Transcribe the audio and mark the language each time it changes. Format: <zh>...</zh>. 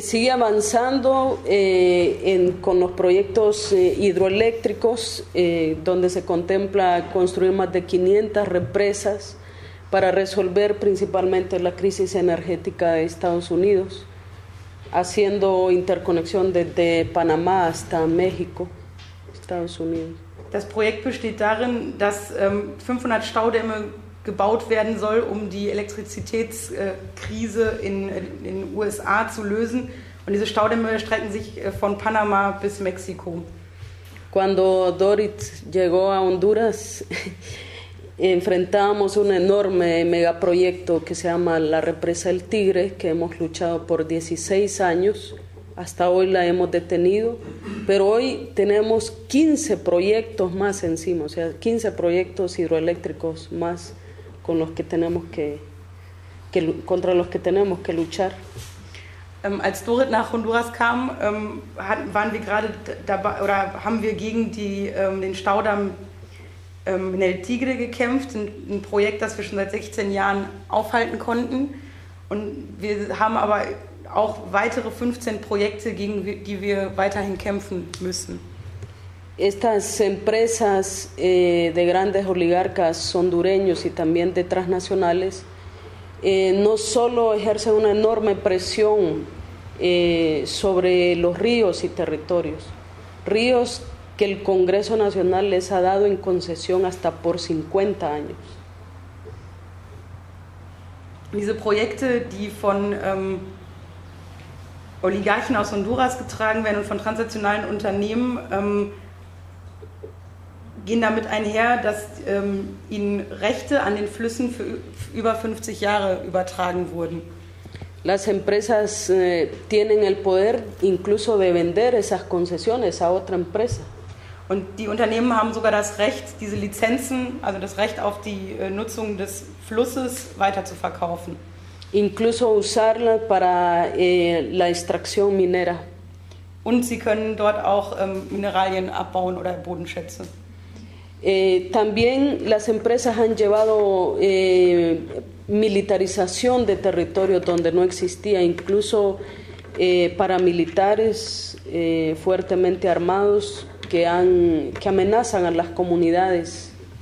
<es>sigue avanzando con los proyectos hidroeléctricos, donde se contempla construir más de 500 represas para resolver principalmente la crisis energética de Estados Unidos, haciendo interconexión desde Panamá hasta México, Estados Unidos.</es> <de>Das Projekt besteht darin, dass 500 Staudämme gebaut werden soll, um die Elektrizitätskrise in den USA zu lösen. Und diese Staudämme strecken sich von Panama bis Mexiko.</de> <es>Cuando Dorit llegó a Honduras, enfrentábamos un enorme megaproyecto que se llama la Represa El Tigre, que hemos luchado por 16 años. Hasta hoy la hemos detenido, pero hoy tenemos 15 proyectos más encima, o sea, 15 proyectos hidroeléctricos más con los que tenemos que contra los que tenemos que luchar.</es> <de>Als Dorit nach Honduras kam, waren wir gerade dabei oder haben wir gegen den Staudamm in El Tigre gekämpft, ein Projekt, das wir schon seit 16 Jahren aufhalten konnten, und wir haben aber auch weitere 15 Projekte, gegen die wir weiterhin kämpfen müssen.</de> <es>Estas empresas de grandes oligarcas hondureños y también de transnacionales no solo ejercen una enorme presión sobre los ríos y territorios, ríos que el Congreso Nacional les ha dado en concesión hasta por 50 años.</es> <de>Diese Projekte, die von Oligarchen aus Honduras getragen werden und von transnationalen Unternehmen gehen damit einher, dass ihnen Rechte an den Flüssen für über 50 Jahre übertragen wurden.</de> <es>Las empresas tienen el poder incluso de vender esas concesiones a otra empresa.</es> <de>Und die Unternehmen haben sogar das Recht, diese Lizenzen, also das Recht auf die Nutzung des Flusses, weiterzuverkaufen.</de> <es>Incluso usarla para la extracción minera.</es> <de>Und sie können dort auch Mineralien abbauen oder Bodenschätze.</de> <es>También las empresas han llevado militarización de territorios donde no existía, incluso paramilitares fuertemente armados que amenazan a las comunidades.</es>